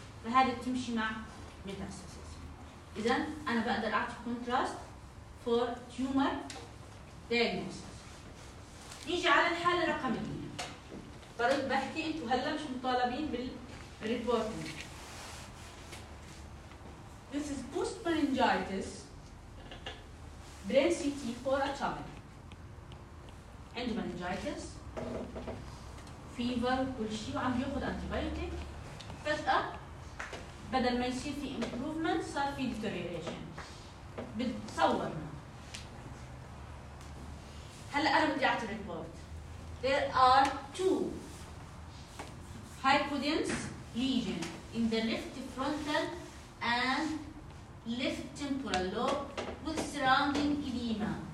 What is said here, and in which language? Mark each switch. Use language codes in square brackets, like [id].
[ar] فهذا بتمشي مع ميتاستاسيس. اذا انا بقدر اعطي كونتراست فور تيومر دايجنوستس. نيجي على الحالة رقم 2. طريق بحكي انتوا هلا مش مطالبين بالريبورتنج. [en] This is post meningitis brain CT for a child. [ar] عنده meningitis, fever, كل شيء وعم بياخذ antibiotic. فجأة بدل ما يصير في improvement صار في deterioration. بتصورنا. هلا أنا بدي أعطي report. [en] There are two hypodense lesions in the left frontal and left temporal lobe with surrounding edema.